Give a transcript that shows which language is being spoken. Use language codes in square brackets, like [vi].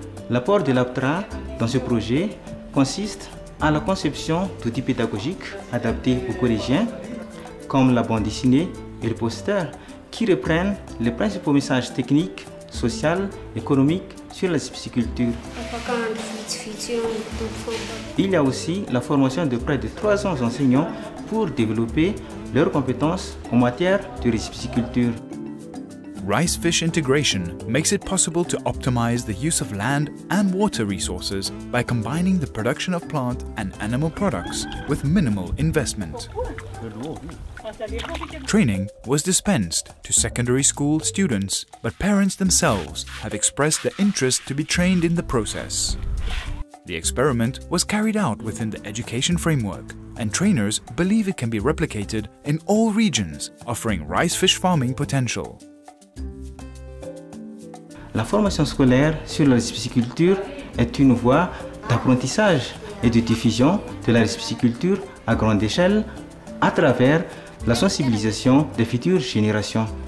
[fr] L'apport de l'APTRA dans ce projet consiste en la conception d'outils pédagogiques adaptés aux collégiens, comme la bande dessinée et le poster, qui reprennent les principaux messages techniques, sociaux, économiques sur la spiciculture. Il y a aussi la formation de près de 300 enseignants pour développer leurs compétences en matière de riciculture. [en] Rice fish integration makes it possible to optimize the use of land and water resources by combining the production of plant and animal products with minimal investment. Training was dispensed to secondary school students, but parents themselves have expressed their interest to be trained in the process. The experiment was carried out within the education framework, and trainers believe it can be replicated in all regions, offering rice fish farming potential. [fr] La formation scolaire sur la riziculture est une voie d'apprentissage et de diffusion de la riziculture à grande échelle à travers la sensibilisation des futures générations.